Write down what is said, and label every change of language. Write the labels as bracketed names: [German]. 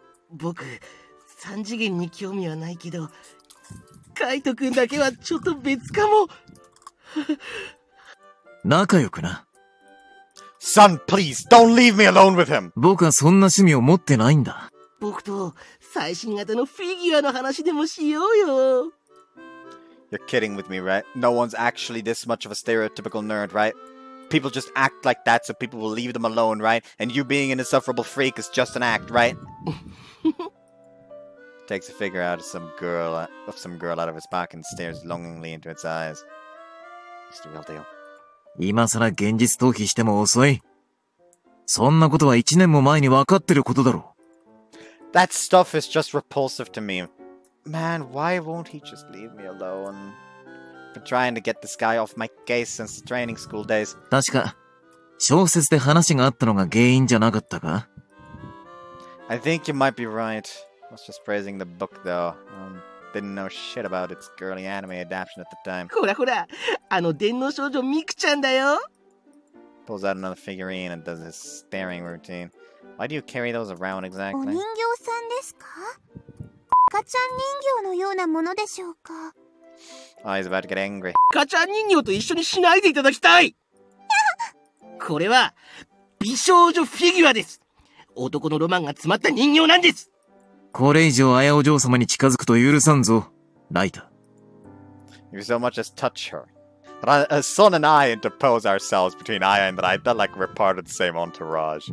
[Japanese] 僕、三次元に興味はないけど、 カイト君だけはちょっと別かも。仲良くな。 [English] Son, please, don't leave me alone with him! [Japanese] 僕はそんな趣味を持ってないんだ。僕と最新型のフィギュアの話でもしようよ。 [English] You're kidding with me, right? No one's actually this much of a stereotypical nerd, right? People just act like that so people will leave them alone, right? And you being an insufferable freak is just an act, right? Takes a finger out of some girl out of his pocket and stares longingly into its eyes. It's the real deal. [Japanese] 今更現実逃避しても遅い。そんなことは1年も前に分かってることだろ。 [English] That stuff is just repulsive to me. Man, why won't he just leave me alone? I've been trying to get this guy off my case since the training school days. [Japanese] 確か、小説で話があったのが原因じゃなかったか? [English] I think you might be right. I was just praising the book, though. Didn't know shit about its girly anime adaptation at the time. [Japanese] ほらほら、あの電脳少女ミクちゃんだよ! [English] Pulls out another figurine and does his staring routine. Why do you carry those around exactly? [Japanese] お人形さんですか? 赤ちゃん人形のようなものでしょうか? [English] Oh, he's about to get angry. [Japanese] 赤ちゃん人形と一緒にしないでいただきたい! これは、美少女フィギュアです!男のロマンが詰まった人形なんです! これ以上綾お嬢様に近づくと許さんぞ、ライタ。 [English] You so much as touch her. Son and I interpose ourselves between Aya and Raita like we're part of the same entourage.